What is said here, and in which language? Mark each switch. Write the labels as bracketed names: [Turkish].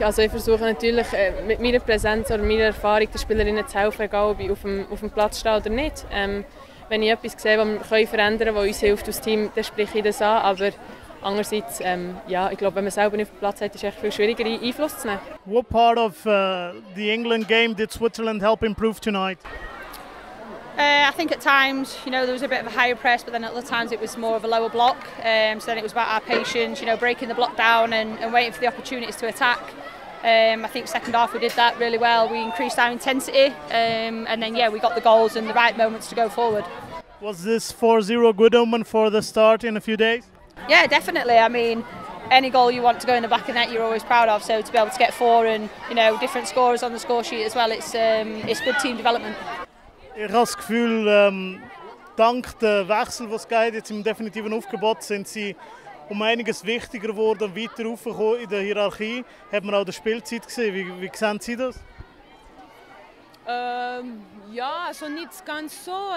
[German] Also ich versuche natürlich mit meiner Präsenz oder meiner Erfahrung den Spielerinnen zu helfen, egal ob ich auf dem Platz stehe oder nicht. Wenn ich etwas sehe, was wir verändern können, was uns hilft, das Team, dann spreche ich das an. Aber andererseits, ich glaube, wenn man selber nicht auf dem Platz hat, ist es viel schwieriger, Einfluss zu nehmen. [English] What part of the England game did Switzerland help improve tonight? I think at times, you know, there was a bit of a higher press, but then at other times it was more of a lower block. So then it was about our patience, you know, breaking the block down and waiting for the opportunities to attack. I think second half we did that really well. We increased our intensity and then, we got the goals and the right moments to go forward. Was this 4-0 good omen for the start in a few days? Yeah, definitely. I mean, any goal you want to go in the back of net, you're always proud of. So to be able to get 4 and, you know, different scorers on the score sheet as well, it's good team development. [German] Ich habe das Gefühl, dank dem Wechsel, den es gab, jetzt im definitiven Aufgebot, sind sie um einiges wichtiger geworden und weiter aufgekommen in der Hierarchie. Hat man auch die Spielzeit gesehen? Wie sehen Sie das? Also nicht ganz so.